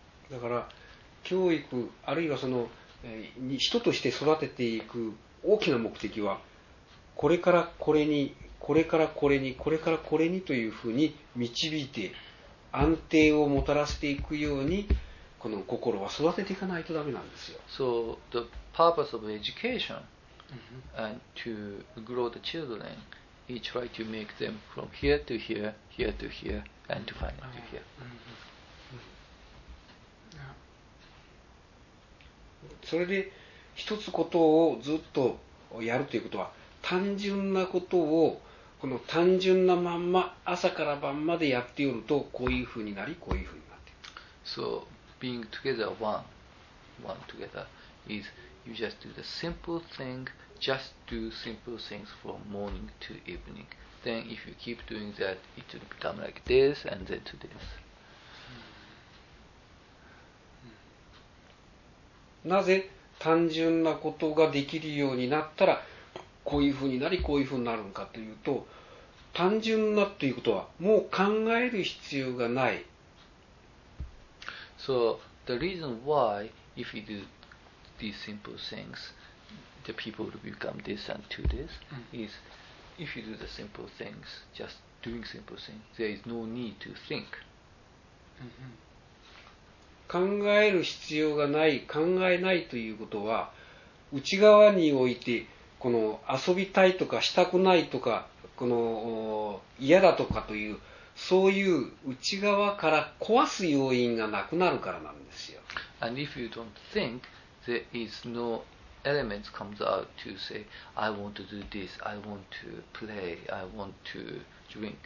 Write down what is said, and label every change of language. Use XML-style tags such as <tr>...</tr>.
<ja>だから教育あるいはその人として育てていく大きな目的はこれからこれにこれからこれにこれからこれにというふうに導いて安定をもたらしていくようにこの心は育てていかないとダメなんですよ。</ja> <en>So the purpose of education and to grow the children he tried to make them from here to here, here to here and to finally to here.</en> <ja>それで一つことをずっとやるということは単純なことをこの単純なまんま朝から晩までやっておるとこういうふうになりこういうふうになっている。</ja> <en>So being together one together is you just do the simple thing, just do simple things from morning to evening. Then if you keep doing that, it will become like this and then to this.</en> <ja>なぜ単純なことができるようになったらこういうふうになりこういうふうになるのかというと単純なということはもう考える必要がない。</ja> <en>So the reason why if you do these simple things the people will become this and to this is if you do the simple things just doing simple things there is no need to think.</en> <ja>考える必要がない、考えないということは内側においてこの遊びたいとかしたくないとかこの嫌だとかというそういう内側から壊す要因がなくなるからなんですよ。</ja> <en>And if you don't think, there is no elements comes out to say I want to do this, I want to play, I want to drink.</en>